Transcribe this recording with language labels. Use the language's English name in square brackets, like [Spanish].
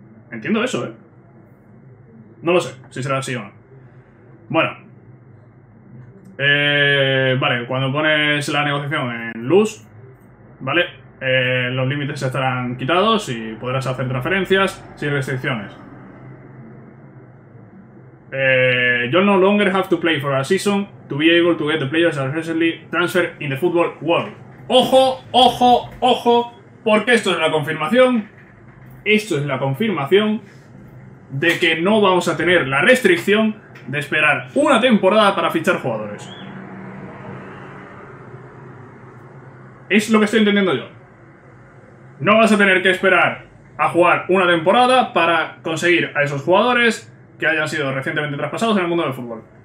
[Spanish] Entiendo eso, ¿eh? No lo sé, si será así o no. Bueno. Vale, cuando pones la negociación en luz, ¿vale? Los límites estarán quitados y podrás hacer transferencias sin restricciones. [English] You'll no longer have to play for a season to be able to get the players that recently transferred in the football world. [Spanish] ¡Ojo, ojo, ojo! Porque esto es la confirmación. Esto es la confirmación de que no vamos a tener la restricción de esperar una temporada para fichar jugadores. Es lo que estoy entendiendo yo. No vas a tener que esperar a jugar una temporada para conseguir a esos jugadores que hayan sido recientemente traspasados en el mundo del fútbol.